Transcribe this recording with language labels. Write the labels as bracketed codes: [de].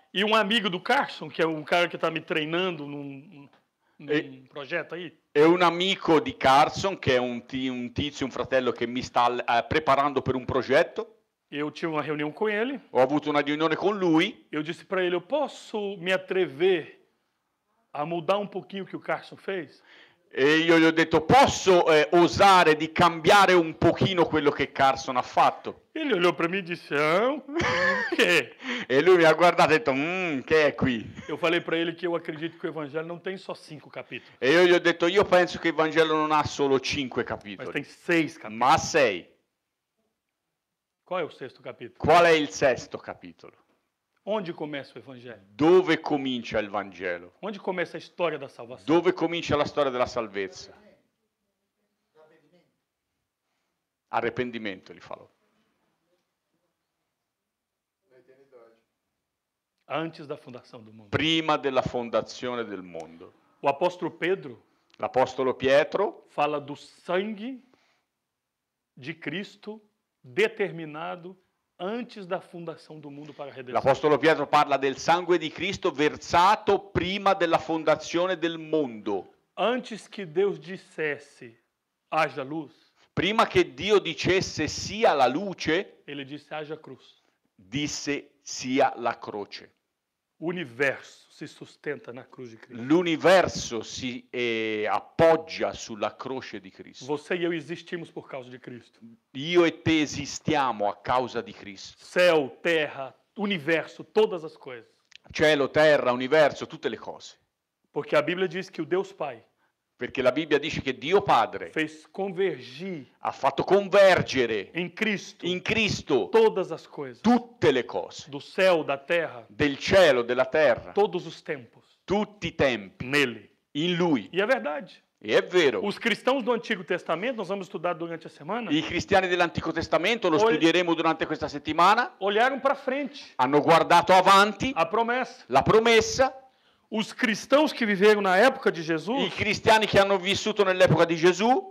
[pt] E amigo do Carson, que é cara que tá me treinando num projeto aí. [it] E un amico di Carson, che è un tizio, un fratello che mi sta preparando per un progetto. [pt] Eu tive uma reunião com ele. [it] Ho avuto una riunione con lui. [pt] Eu disse para ele, eu posso me atrever a mudar pouquinho o que o Carson fez? [it] E io gli ho detto, posso osare di cambiare un pochino quello che Carson ha fatto? [pt] Ele olhou para mim e disse, que? [it] E lui mi ha guardato e detto, che è qui? [pt] Eu falei para ele que eu acredito que o evangelho não tem só 5 capítulos. [it] E io gli ho detto, io penso che il Vangelo non ha solo 5 capitoli. [pt] Mas tem 6 capítulos. [it] Ma 6. [pt] Qual é o sexto capítulo? [it] Qual é il sesto capitolo? [pt] Onde começa o evangelho? [it] Dove comincia il Vangelo? [pt] Onde começa a história da salvação? [it] Dove comincia la storia della salvezza? [pt] Arrependimento, gli falou. Antes da fundação do mundo. [it] Prima della fondazione del mondo. [pt] O apóstolo Pedro? [it] L'apostolo Pietro [pt] fala do sangue de Cristo determinado antes da fundação do mundo para a redenção. [it] L'apostolo Pietro parla del sangue di Cristo versato prima della fondazione del mondo. [pt] Antes que Deus dissesse haja luz. [it] Prima che Dio dicesse sia la luce. [pt] Ele disse haja cruz. [it] Disse sia la croce. [pt] Universo se sustenta na cruz de Cristo. [it] L'universo si appoggia sulla croce di Cristo. [pt] Você e eu existimos por causa de Cristo. [it] Io e te esistiamo a causa di Cristo. [pt] Céu, terra, universo, todas as coisas. [it] Cielo, terra, universo, tutte le cose. [pt] Porque a Bíblia diz que o Deus Pai. [it] Perché la Bibbia dice che Dio Padre [pt] fez convergir. [it] Ha fatto convergere in Cristo [pt] todas as coisas, [it] tutte le cose [pt] do céu, da terra, [it] del cielo, della terra, [pt] todos os tempos, [it] tutti i tempi. [pt] Nele. [it] In lui. E è vero. E è vero. [pt] Os cristãos do Antigo Testamento, nós vamos estudar durante a semana. [it] I cristiani dell'Antico Testamento lo studieremo durante questa settimana. [pt] Olharam para frente. [it] Hanno guardato avanti. [pt] A promessa. [it] La promessa. [pt] Os cristãos que viveram na época de Jesus. [it] I cristiani che hanno vissuto nell'epoca di Gesù.